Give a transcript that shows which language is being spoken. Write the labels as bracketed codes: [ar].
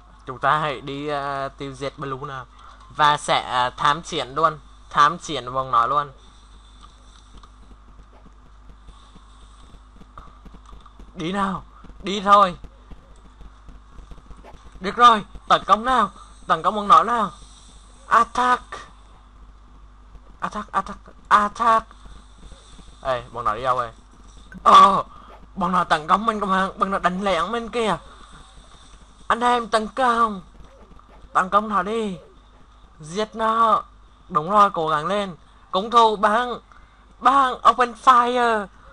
[vi] chúng ta hãy đi tiêu diệt Blue nào, và sẽ thám chiến luôn, thám chiến vòng nó luôn. Đi nào, đi thôi. Được rồi, tấn công nào, tấn công bằng nó nào. [en] Attack, attack, attack, attack. [vi] Ê, bọn nó đi đâu rồi? Ồ, bọn nó tấn công mình cơ mà, bọn nó đánh lén mình kìa. Anh em tấn công nó đi, giết nó. Đúng rồi, cố gắng lên, cung thủ băng, băng, [en] open fire.